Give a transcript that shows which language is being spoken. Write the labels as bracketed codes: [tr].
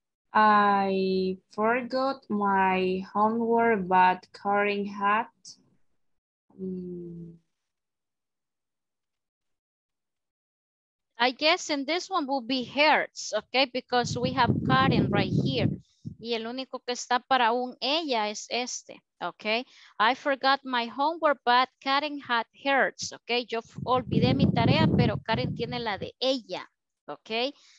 [en] I forgot my homework, but Karen had. I guess in this one will be hers, okay? Because we have Karen right here. [es] Y el único que está para un ella es este, okay? [en] I forgot my homework, but Karen had hers, okay? [es] Yo olvidé mi tarea, pero Karen tiene la de ella, okay?